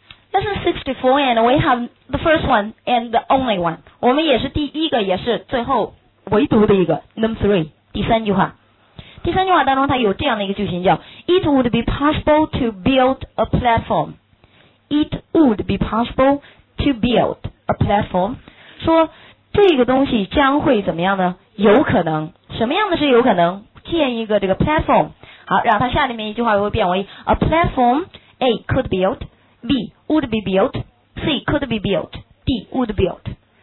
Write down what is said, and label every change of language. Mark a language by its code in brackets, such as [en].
[en] Lesson 64 and we have the first one and the only one. [zh] 我们也是第一个也是最后唯独的一个 [en] Number 3, [zh] 第三句话。第三句话当中它有这样的一个句型叫 [en] It would be possible to build a platform. It would be possible to build a platform. [zh] 说这个东西将会怎么样呢？有可能，什么样的是有可能？建一个这个 platform。好，然后它下面一句话会变为 [en] A platform A could build B would be built C could be built D would build。